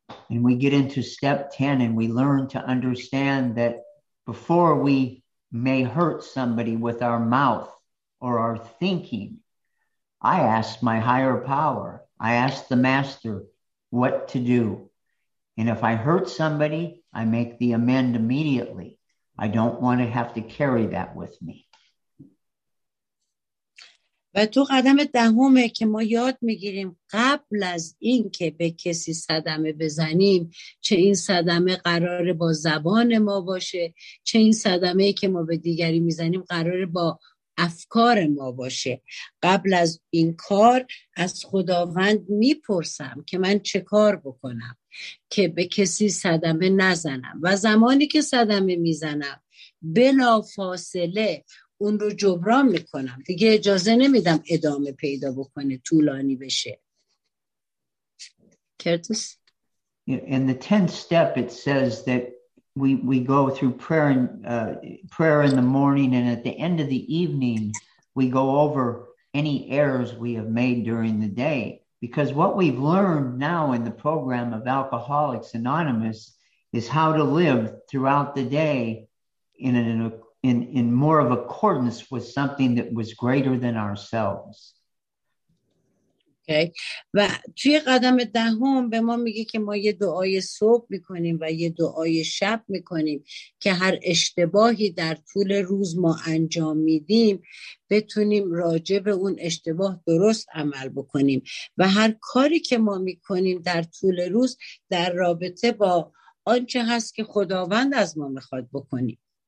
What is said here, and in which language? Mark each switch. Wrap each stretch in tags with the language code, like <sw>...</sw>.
<en>And we get into step 10 and we learn to understand that before we may hurt somebody with our mouth or our thinking, I ask my higher power, I ask the master what to do. And if I hurt somebody, I make the amend immediately. I don't want to have to carry that with me.</en> <fa>و تو قدم دهمه که ما یاد میگیریم قبل از این که به کسی صدمه بزنیم، چه این صدمه قرار با زبان ما باشه، چه این صدمه که ما به دیگری میزنیم قرار با افکار ما باشه. قبل از این کار از خداوند میپرسم که من چه کار بکنم که به کسی صدمه نزنم، و زمانی که صدمه میزنم بلا فاصله اون رو جبران میکنم، دیگه اجازه نمیدم ادامه پیدا بکنه، طولانی بشه. کرتیس؟</fa> <en>In the 10th step it says that we go through prayer and prayer in the morning and at the end of the evening we go over any errors we have made during the day, because what we've learned now in the program of Alcoholics Anonymous is how to live throughout the day in more of accordance with something that was greater than ourselves. Okay.</en> <fa>و توی قدم دهم به ما میگه که ما یه دعای صبح میکنیم و یه دعای شب میکنیم که هر اشتباهی در طول روز ما انجام میدیم بتونیم راجع به اون اشتباه درست عمل بکنیم، و هر کاری که ما میکنیم در طول روز در رابطه با آنچه هست که خداوند از ما میخواد بکنیم.</fa>